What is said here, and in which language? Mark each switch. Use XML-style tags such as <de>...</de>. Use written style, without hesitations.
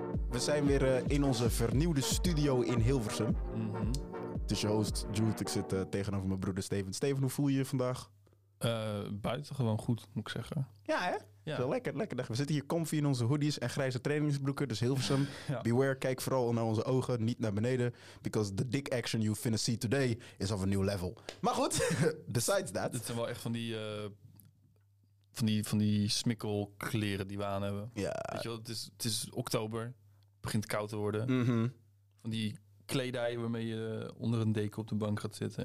<nl>We zijn weer in onze vernieuwde studio in Hilversum. Het is je host, Jude. Ik zit tegenover mijn broeder Steven. Steven, hoe voel je je vandaag? Buitengewoon goed, moet ik zeggen. Ja, hè? Ja. Zo, lekker, lekker. We zitten hier comfy in onze hoodies en grijze trainingsbroeken. Dus Hilversum, ja.</nl> <en>Beware.</en> <nl>Kijk vooral naar onze ogen, niet naar beneden.</nl> <en>Because the dick action you finna see today is of a new level.</en> <nl>Maar goed,</nl> <en>besides that.</en> <nl>Dit zijn wel echt van die van die smikkelkleren die we aan hebben. Ja. Weet je wel, het is oktober. Begint koud te worden. Mm-hmm. Van die kledij waarmee je onder een deken op de bank gaat zitten.</nl>